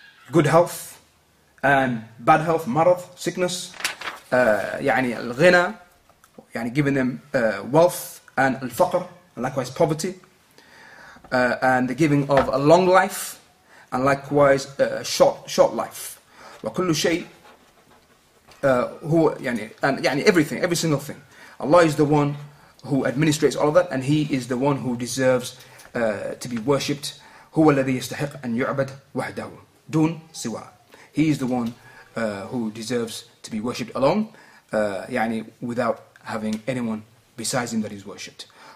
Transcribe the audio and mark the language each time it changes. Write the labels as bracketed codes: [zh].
[en] good health, and bad health, marad, sickness, يعني الغنى, يعني giving them wealth, and الفقر, and likewise poverty, and the giving of a long life, and likewise a short life. [ar] وكل شيء هو [en] يعني, and يعني everything, every single thing. Allah is the one who administrates all of that, and He is the one who deserves to be worshipped. [ar] هو الذي يستحق أن يعبد وحده دون سوى. [en] He is the one who deserves to be worshipped alone, يعني without having anyone besides Him that is worshipped.